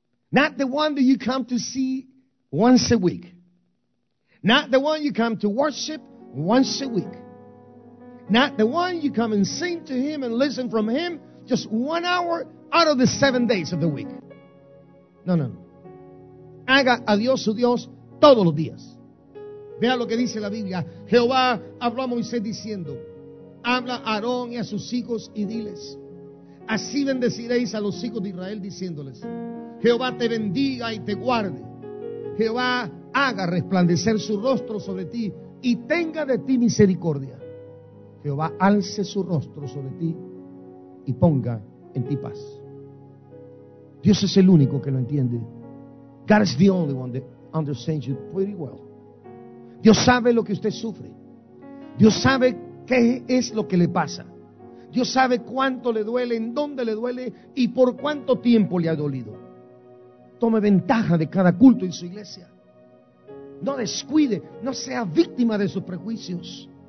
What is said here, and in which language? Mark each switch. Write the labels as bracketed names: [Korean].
[English] Not the one that you come to see once a week. Not the one you come to worship once a week. Not the one you come and sing to Him and listen from Him just 1 hour out of the 7 days of the week. No, no, no. [Spanish] Haga a Dios su Dios todos los días. Vea lo que dice la Biblia. Jehová habló a Moisés diciendo, habla a Aarón y a sus hijos y diles, así bendeciréis a los hijos de Israel diciéndoles, Jehová te bendiga y te guarde. Jehová haga resplandecer su rostro sobre ti y tenga de ti misericordia. Jehová alce su rostro sobre ti y ponga en ti paz. Dios es el único que lo entiende. [English] God is the only one that understands you pretty well. [Spanish] Dios sabe lo que usted sufre. Dios sabe qué es lo que le pasa. Dios sabe cuánto le duele, en dónde le duele y por cuánto tiempo le ha dolido. Tome ventaja de cada culto en su iglesia. No descuide, no sea víctima de sus prejuicios.